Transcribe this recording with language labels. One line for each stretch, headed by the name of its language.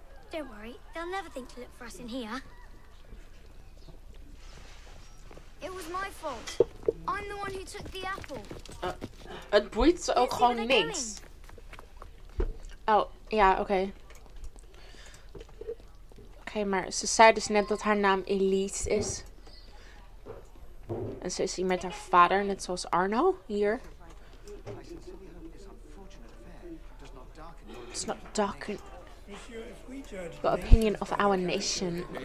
English: Don't worry, they'll never think to look for us in here. It was my fault. I'm the one who took the apple.
Dutch: Het boeit ze ook gewoon niks. Oh, ja, oké. Oké, maar ze zei dus net dat haar naam Elise is. En ze is hier met haar vader, net zoals Arno, hier.
English: It's not dark in the opinion of our nation.